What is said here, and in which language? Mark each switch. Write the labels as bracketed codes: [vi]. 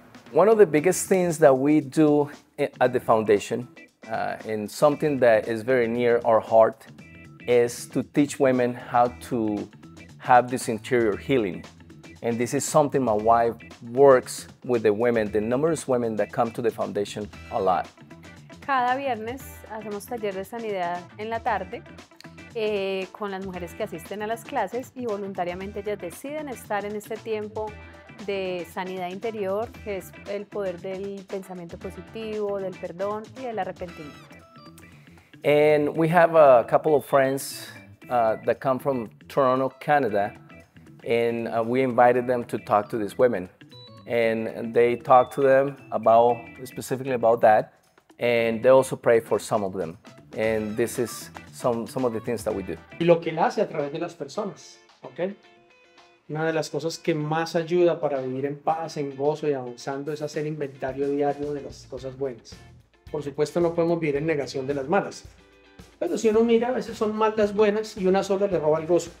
[en] One of the biggest things that we do at the foundation, and something that is very near our heart, is to teach women how to have this interior healing. And this is something my wife works with the women, the numerous women that come to the foundation a lot. [es] Cada viernes hacemos taller de sanidad en la tarde con las mujeres que asisten a las clases y voluntariamente ellas deciden estar en este tiempo de sanidad interior, que es el poder del pensamiento positivo, del perdón y del arrepentimiento. [en] And we have a couple of friends that come from Toronto, Canada, and we invited them to talk to these women. And they talked to them about specifically about that, and they also pray for some of them. And this is some of the things that we do. [es] Y lo que él hace a través de las personas, okay? Una de las cosas que más ayuda para vivir en paz, en gozo y avanzando es hacer inventario diario de las cosas buenas. Por supuesto, no podemos vivir en negación de las malas. Pero si uno mira, a veces son mal las buenas y una sola le roba el gozo.